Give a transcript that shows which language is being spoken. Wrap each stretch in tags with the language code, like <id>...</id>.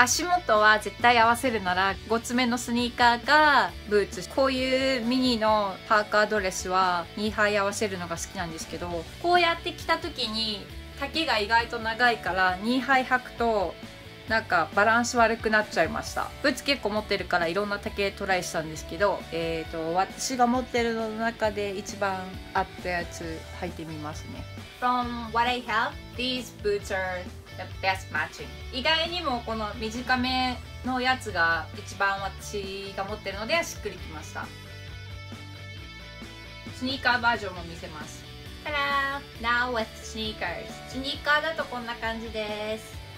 <ja>足元は絶対合わせるなら5つ目のスニーカーかブーツ、こういうミニのパーカードレスは2杯合わせるのが好きなんですけど、こうやって着た時に丈が意外と長いから2杯履くとなんかバランス悪くなっちゃいました。ブーツ結構持ってるからいろんな丈トライしたんですけど、私が持ってるのの中で一番合ったやつ履いてみますね。</ja> <en>From what I have, these boots areThe best matching.</en> <ja>意外にもこの短めのやつが一番私が持ってるのでしっくりきました。スニーカーバージョンも見せます。</ja> <en>たらー。Now with sneakers.</en> <ja>スニーカーだとこんな感じです。</ja>